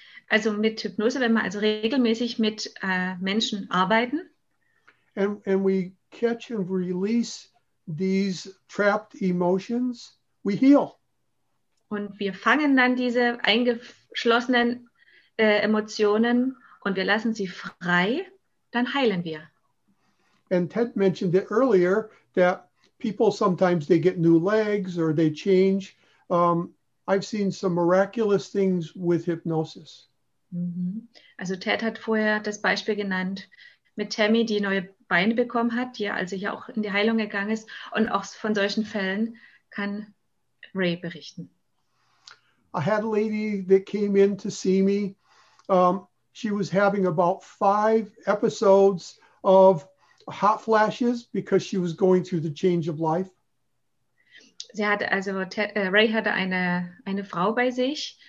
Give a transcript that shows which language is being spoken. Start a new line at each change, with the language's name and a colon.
German: Also mit Hypnose, wenn wir also regelmäßig mit Menschen arbeiten.
English: And we catch and release these trapped emotions, we heal.
German: Und wir fangen dann diese eingeschlossenen Emotionen und wir lassen sie frei, dann heilen wir.
English: And Ted mentioned it earlier that people sometimes they get new legs or they change. I've seen some miraculous things with hypnosis.
German: Also Ted hat vorher das Beispiel genannt mit Tammy, die neue Beine bekommen hat, die ja also hier auch in die Heilung gegangen ist. Und auch von solchen Fällen kann Ray berichten.
English: I had a lady that came in to see me. She was having about 5 episodes of hot flashes because she was going through the change of life.
German: Sie hatte also, Ray hatte eine Frau bei sich.